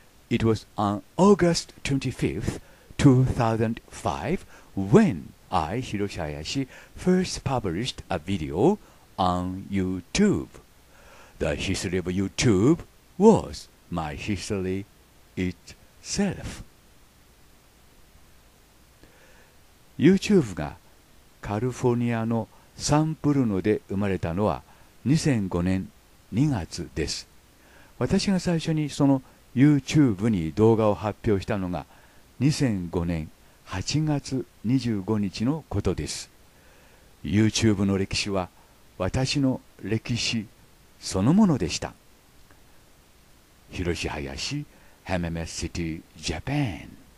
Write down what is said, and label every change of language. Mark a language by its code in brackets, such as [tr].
[en] It was on August 25th, 2005, when I, Hiroshi Hayashi, first published a video on YouTube. The history of YouTube was my history itself. [ja] YouTube がカリフォルニアのサンプルノで生まれたのは2005年2月です。私が最初にその YouTube に動画を発表したのが2005年8月25日のことです。 YouTube の歴史は私の歴史そのものでした。広志林、Hamamatsu City, Japan。